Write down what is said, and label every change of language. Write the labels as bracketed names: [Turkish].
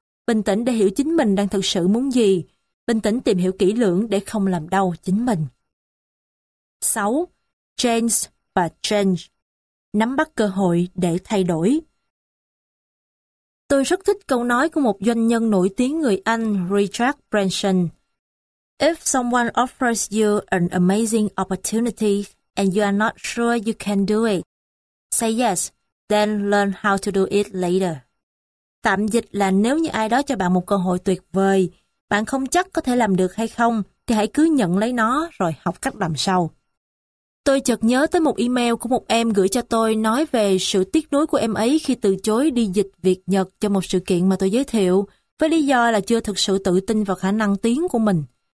[Vietnamese] Bình tĩnh để hiểu chính mình đang thực sự muốn gì, bình tĩnh tìm hiểu kỹ lưỡng để không làm đau chính mình. 6. Change và change. Nắm bắt cơ hội để thay đổi. Tôi rất thích câu nói của một doanh nhân nổi tiếng người Anh, Richard Branson. [English] If someone offers you an amazing opportunity and you are not sure you can do it, say yes, then learn how to do it later. [Vietnamese] Tạm dịch là nếu như ai đó cho bạn một cơ hội tuyệt vời, bạn không chắc có thể làm được hay không, thì hãy cứ nhận lấy nó rồi học cách làm sau. Tôi chợt nhớ tới một email của một em gửi cho tôi nói về sự tiếc nuối của em ấy khi từ chối đi dịch việc Nhật cho một sự kiện mà tôi giới thiệu, với lý do là chưa thực sự tự tin vào khả năng tiếng của mình.